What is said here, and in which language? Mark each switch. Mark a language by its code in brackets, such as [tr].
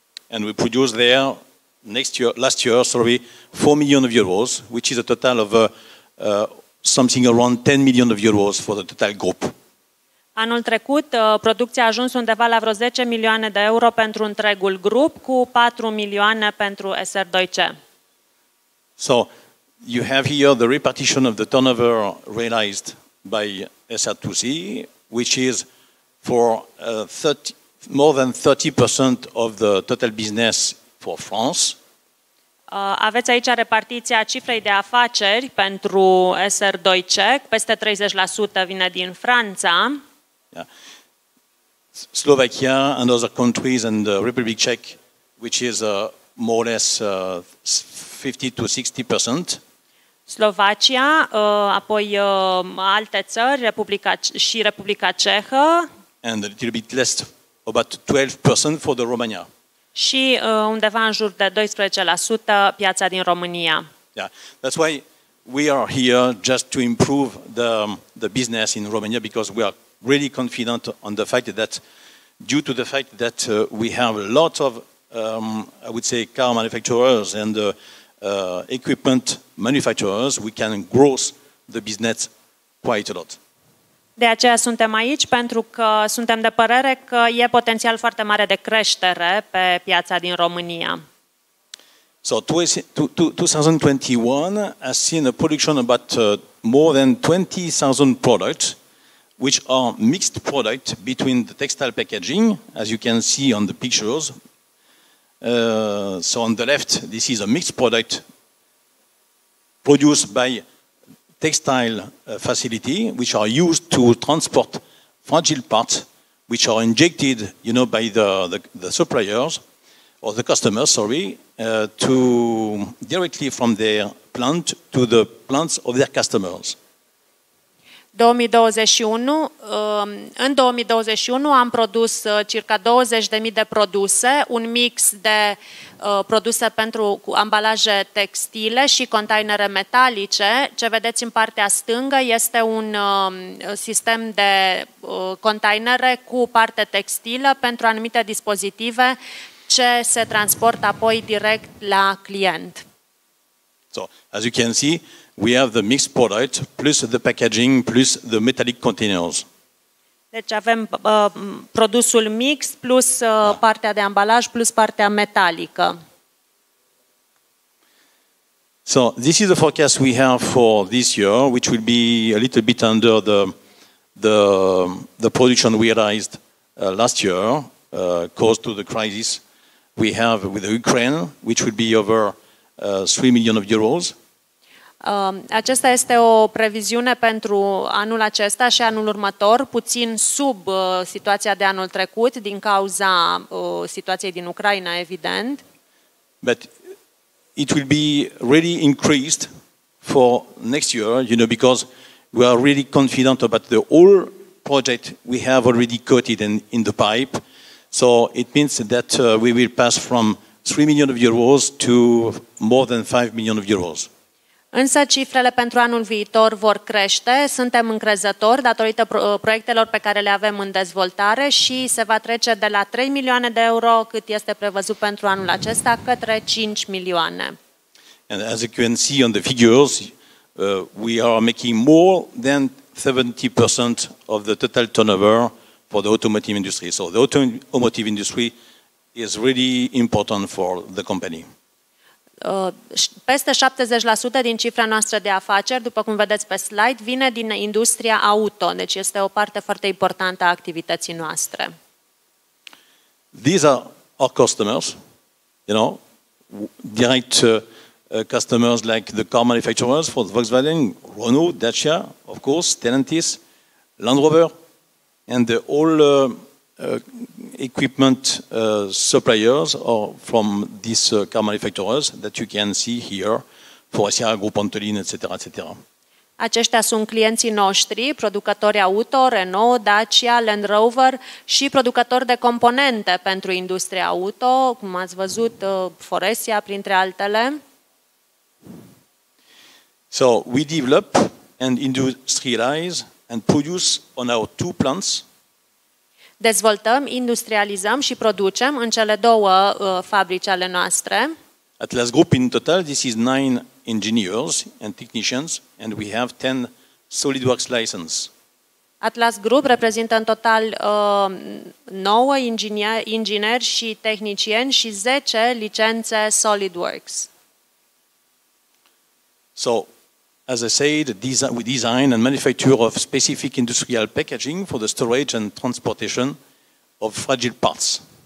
[en] And we produce there last year, 4 million of euros, which is a total of something around 10 million of euros for the total group. [ro] Anul trecut, producția a ajuns undeva la vreo 10 milioane de euro pentru întregul grup, cu 4 milioane pentru SR2C. [en] So, you have here the repartition of the turnover realized by SR2C, which is for more than 30% of the total business for France. [ro] Aveți aici repartiția cifrei de afaceri pentru SR2C, peste 30% vine din Franța. [en] Yeah. Slovakia and other countries and Republic Czech, which is more or less 50-60%. [ro] Slovacia, apoi alte țări, Republica și Republica Cehă. [en] And a little bit less, about 12% for the Romania. [ro] Și undeva în jur de 12% piața din România. [en] Yeah, that's why we are here just to improve the business in Romania because we are really confident on the fact that due to the fact that we have a lot of, I would say, car manufacturers and equipment manufacturers, we can grow the business quite a lot. [ro] De aceea suntem aici, pentru că suntem de părere că e potențial foarte mare de creștere pe piața din România. [en] So, 2021 has seen a production about more than 20,000 products, which are mixed products between the textile packaging, as you can see on the pictures. So on the left, this is a mixed product produced by textile facility, which are used to transport fragile parts, which are injected, you know, by the suppliers or the customers, to directly from their plant to the plants of their customers. [ro] 2021, în 2021 am produs circa 20.000 de produse, un mix de produse pentru ambalaje textile și containere metalice. Ce vedeți în partea stângă este un sistem de containere cu parte textilă pentru anumite dispozitive ce se transportă apoi direct la client. [en] So, as you can see, we have the mixed product plus the packaging plus the metallic containers. [ro] Deci avem produsul mix plus partea de ambalaj plus partea metalică. [en] So, this is the forecast we have for this year, which will be a little bit under the production we realized last year caused to the crisis we have with Ukraine, which will be over 3 million of euros. [ro] Aceasta este o previziune pentru anul acesta și anul următor, puțin sub situația de anul trecut, din cauza situației din Ucraina, evident. [en] But it will be really increased for next year, you know, because we are really confident about the whole project we have already coated in the pipe. So it means that we will pass from 3 million of euros to more than 5 million of euros. [ro] Însă cifrele pentru anul viitor vor crește, suntem încrezători datorită proiectelor pe care le avem în dezvoltare și se va trece de la 3 milioane de euro, cât este prevăzut pentru anul acesta, către 5 milioane. [en] And as you can see on the figures, we are making more than 70% of the total turnover for the automotive industry. So the automotive industry is really important for the company. [ro] Peste 70% din cifra noastră de afaceri, după cum vedeți pe slide, vine din industria auto, deci este o parte foarte importantă a activității noastre. [en] These are our customers, you know, direct customers like the car manufacturers for Volkswagen, Renault, Dacia, of course, Stellantis, Land Rover, and the all equipment suppliers or from these car manufacturers that you can see here, Faurecia, Grupo Antolin, etc., etc. [ro] Aceștia sunt clienții noștri, producători auto, Renault, Dacia, Land Rover și producători de componente pentru industria auto, cum ați văzut, Faurecia, printre altele. [en] So, we develop and industrialize and produce on our two plants. [ro] Dezvoltăm, industrializăm și producem în cele două fabrici ale noastre. [en] Atlas Group in total, this is 9 engineers and technicians and we have 10 SolidWorks license. [ro] Atlas Group reprezintă în total 9 ingineri și tehnicieni și 10 licențe SolidWorks. [en] So, as I said, we design and manufacture of specific industrial packaging for the storage and transportation of fragile parts.